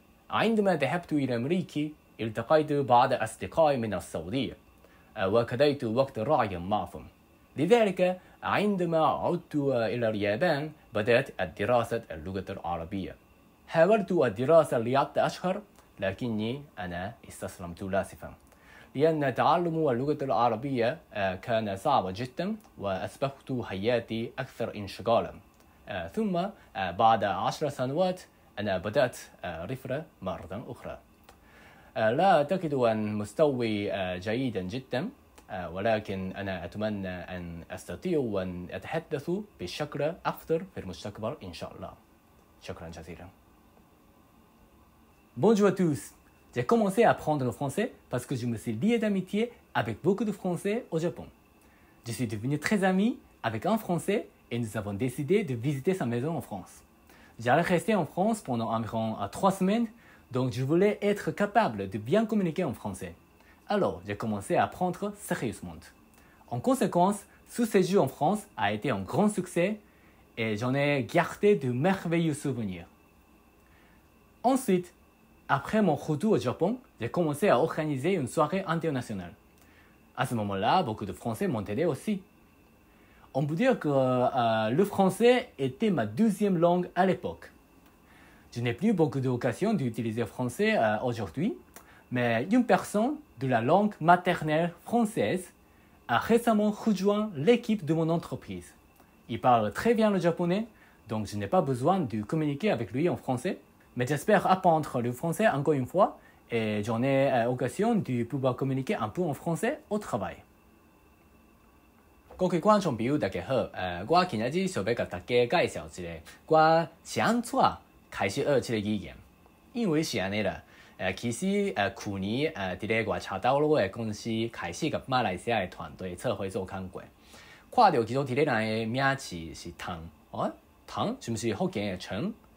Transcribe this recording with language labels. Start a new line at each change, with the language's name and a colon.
Arabic: عندما ذهبت إلى أمريكا، التقيت بعض أصدقائي من السعودية، وقضيت وقت رائع معهم. لذلك، عندما عدت إلى اليابان، بدأت الدراسة اللغة العربية. حاولت الدراسة لعدة أشهر، لكني أنا استسلمت لاسفاً. لأن تعلم اللغة العربية كان صعب جدا وأصبحت حياتي أكثر انشغالا ثم بعد 10 سنوات أنا بدأت رفرة مرة أخرى لا أعتقد أن مستوي جيدا جدا ولكن أنا أتمنى أن أستطيع أن أتحدث بشكل أفضل في المستقبل إن شاء الله شكرا جزيلا
French: Bonjour à tous J'ai commencé à apprendre le français parce que je me suis lié d'amitié avec beaucoup de Français au Japon. Je suis devenu très ami avec un Français et nous avons décidé de visiter sa maison en France. J'allais rester en France pendant environ 3 semaines, donc je voulais être capable de bien communiquer en français. Alors, j'ai commencé à apprendre sérieusement. En conséquence, ce séjour en France a été un grand succès et j'en ai gardé de merveilleux souvenirs. Ensuite, Après mon retour au Japon, j'ai commencé à organiser une soirée internationale. À ce moment-là, beaucoup de Français m'ont aidé aussi. On peut dire que le français était ma deuxième langue à l'époque. Je n'ai plus beaucoup d'occasion d'utiliser le français aujourd'hui, mais une personne de la langue maternelle française a récemment rejoint l'équipe de mon entreprise. Il parle très bien le japonais, donc je n'ai pas besoin de communiquer avec lui en français. Mais j'espère apprendre le français encore une fois et j'en ai l'occasion de pouvoir communiquer un peu en français au travail.
Min Nan Chinese: 各位观众朋友大家好，我今日想要甲大家介绍一个我想做开始学一个语言，因为是安尼啦，其实去年伫咧我查到我个公司开始甲马来西亚个团队策划做工过，看到其中一个人个名字是唐，唐是毋是福建个陈？